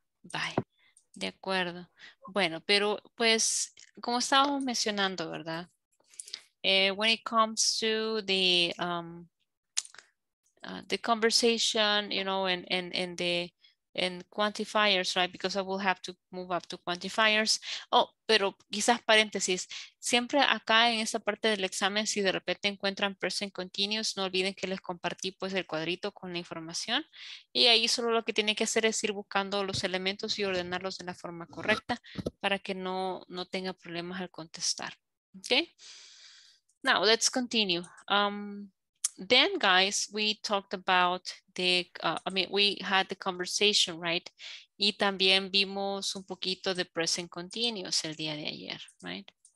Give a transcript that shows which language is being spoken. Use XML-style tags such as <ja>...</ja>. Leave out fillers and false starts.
<es>Bye. De acuerdo. Bueno, pero pues, como estábamos mencionando, ¿verdad?</es> <en>When it comes to the... the conversation, you know, and quantifiers, right? Because I will have to move up to quantifiers.</en> <es>Oh, pero quizás paréntesis. Siempre acá en esta parte del examen, si de repente encuentran present continuous, no olviden que les compartí pues el cuadrito con la información. Y ahí solo lo que tienen que hacer es ir buscando los elementos y ordenarlos de la forma correcta para que no tenga problemas al contestar.</es> <en>Okay? Now, let's continue. Then, guys, we talked about we had the conversation, right?</en> <es>Y también vimos un poquito de present continuous el día de ayer, right?</es>